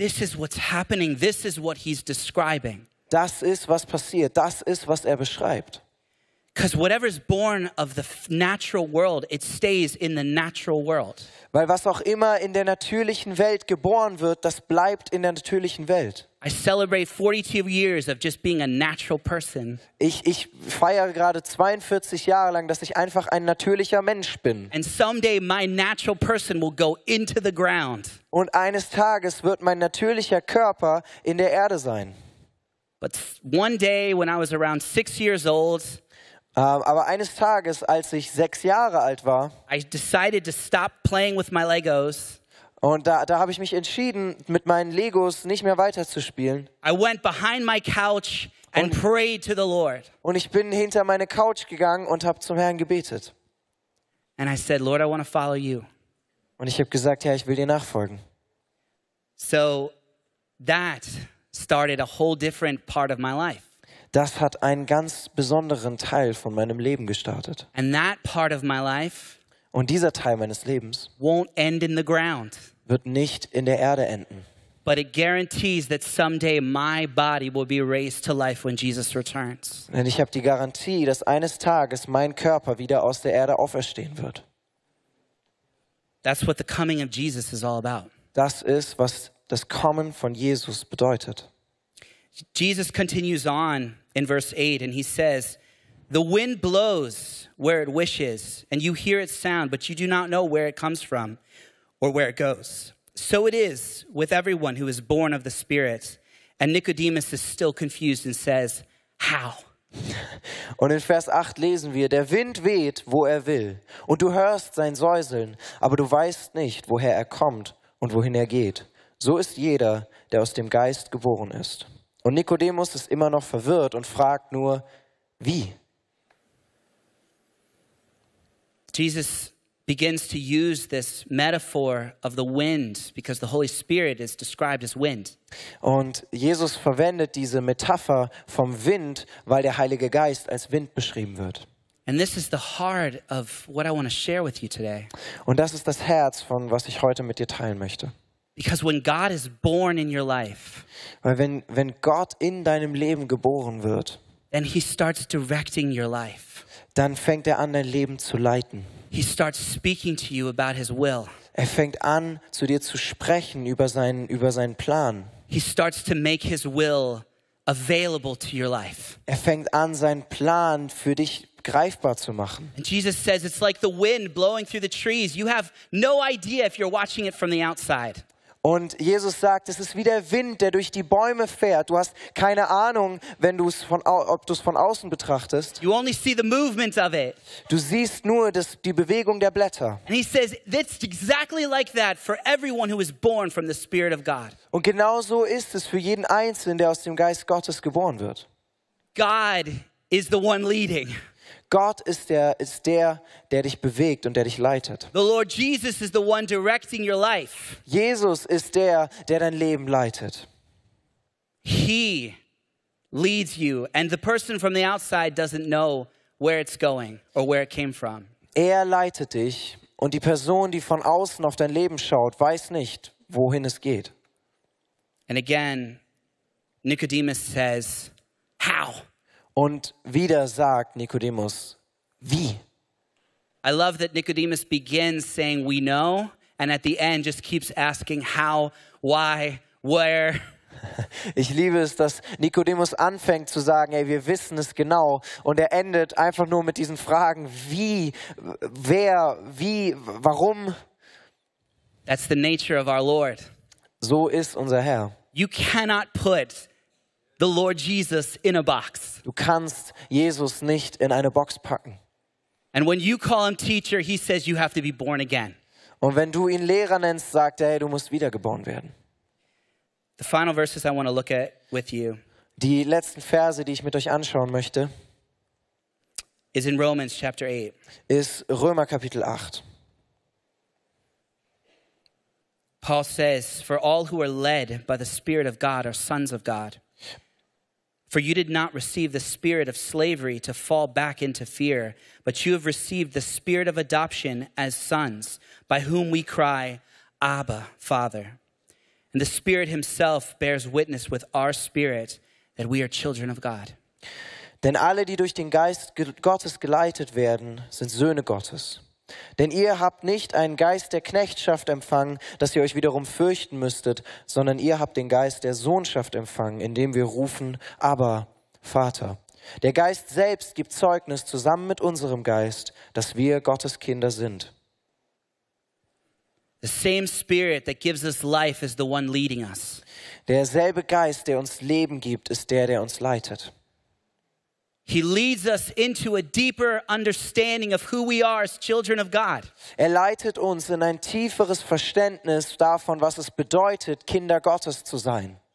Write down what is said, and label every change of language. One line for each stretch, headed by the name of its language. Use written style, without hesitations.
English: this is what's happening, this is what he's describing.
German: Das ist, was passiert, das ist, was er beschreibt.
English: Because whatever is born of the natural world, it stays in the natural world.
German: Weil was auch immer in der natürlichen Welt geboren wird, das bleibt in der natürlichen Welt.
English: I celebrate 42 years of just being a natural person.
German: Ich feiere gerade 42 Jahre lang, dass ich einfach ein natürlicher Mensch bin.
English: And someday my natural person will go into the ground.
German: Und eines Tages wird mein natürlicher Körper in der Erde sein.
English: But one day when I was around 6 years old,
German: aber eines Tages, als ich 6 Jahre alt war,
English: I decided to stop playing with my Legos.
German: Und da habe ich mich entschieden, mit meinen Legos nicht mehr weiterzuspielen.
English: I went behind my couch and prayed to the Lord.
German: Und ich bin hinter meine Couch gegangen und habe zum Herrn gebetet.
English: And I said, Lord, I want to follow you.
German: Und ich habe gesagt, ja, ich will dir nachfolgen.
English: So that started a whole different part of my life.
German: Das hat einen ganz besonderen Teil von meinem Leben gestartet.
English: And that part of my life,
German: und dieser Teil meines Lebens,
English: won't end in the ground,
German: wird nicht in der Erde enden.
English: But it guarantees that someday my body will be raised to life when Jesus returns.
German: Denn ich habe die Garantie, dass eines Tages mein Körper wieder aus der Erde auferstehen wird.
English: That's what the coming of Jesus is all about.
German: Das ist, was das Kommen von Jesus bedeutet.
English: Jesus continues on in verse 8 and he says, the wind blows where it wishes and you hear its sound, but you do not know where it comes from or where it goes. So it is with everyone who is born of the Spirit. And Nicodemus is still confused and says, how?
German: Und in Vers 8 lesen wir, der Wind weht, wo er will, und du hörst sein Säuseln, aber du weißt nicht, woher er kommt und wohin er geht. So ist jeder, der aus dem Geist geboren ist. Und Nicodemus ist immer noch verwirrt und fragt nur, wie?
English: Jesus begins to use this metaphor of the wind because the Holy Spirit is described as wind.
German: Und Jesus verwendet diese Metapher vom Wind, weil der Heilige Geist als Wind beschrieben wird.
English: And this is the heart of what I want to share with you today.
German: Und das ist das Herz von was ich heute mit dir teilen möchte.
English: Because when God is born in your life,
German: weil wenn Gott in deinem Leben geboren wird,
English: then he starts directing your life.
German: Dann fängt er an dein Leben zu leiten.
English: He starts speaking to you about his will.
German: Er fängt an zu dir zu sprechen über seinen Plan.
English: He starts to make his will available to your life.
German: Er fängt an seinen Plan für dich greifbar zu machen.
English: And Jesus says it's like the wind blowing through the trees. You have no idea if you're watching it from the outside.
German: Und Jesus sagt, es ist wie der Wind, der durch die Bäume fährt. Du hast keine Ahnung, wenn du es von, ob du es von außen betrachtest.
English: You only see the movement of it.
German: Du siehst nur das, die Bewegung der Blätter.
English: And he says, it's exactly like that for everyone who is born from the Spirit of God.
German: Und genau so ist es für jeden Einzelnen, der aus dem Geist Gottes geboren wird.
English: God is the one leading.
German: Gott ist der dich bewegt und der dich leitet.
English: The Lord Jesus is the one directing your life.
German: Jesus ist der dein Leben leitet.
English: He leads you and the person from the outside doesn't know where it's going or where it came from.
German: Er leitet dich und die Person, die von außen auf dein Leben schaut, weiß nicht, wohin es geht.
English: And again, Nicodemus says, how?
German: Und wieder sagt Nicodemus, wie?
English: I love that Nicodemus begins saying we know and at the end just keeps asking how, why, where.
German: Ich liebe es, dass Nicodemus anfängt zu sagen, ey, wir wissen es genau und er endet einfach nur mit diesen Fragen, wie, wer, wie, warum?
English: That's the nature of our Lord.
German: So ist unser Herr.
English: You cannot put the Lord Jesus in a box.
German: Du kannst Jesus nicht in eine Box packen.
English: And when you call him teacher, he says you have to be born again.
German: Und wenn du ihn Lehrer nennst, sagt er, hey, du musst wiedergeboren werden.
English: The final verses I want to look at with you.
German: Die letzten Verse, die ich mit euch anschauen möchte,
English: is in Romans chapter 8.
German: Ist Römer Kapitel 8.
English: Paul says, for all who are led by the Spirit of God are sons of God. For you did not receive the spirit of slavery to fall back into fear, but you have received the spirit of adoption as sons, by whom we cry, Abba, Father. And the Spirit himself bears witness with our spirit that we are children of God.
German: Denn alle, die durch den Geist Gottes geleitet werden, sind Söhne Gottes. Denn ihr habt nicht einen Geist der Knechtschaft empfangen, dass ihr euch wiederum fürchten müsstet, sondern ihr habt den Geist der Sohnschaft empfangen, indem wir rufen, aber Vater. Der Geist selbst gibt Zeugnis zusammen mit unserem Geist, dass wir Gottes Kinder sind.
English: The same spirit that gives us life is the one leading us.
German: Derselbe Geist, der uns Leben gibt, ist der uns leitet.
English: He leads us into a deeper understanding of who we are as children of God.
German: Er leitet uns in ein tieferes Verständnis davon, was es bedeutet, Kinder Gottes zu sein.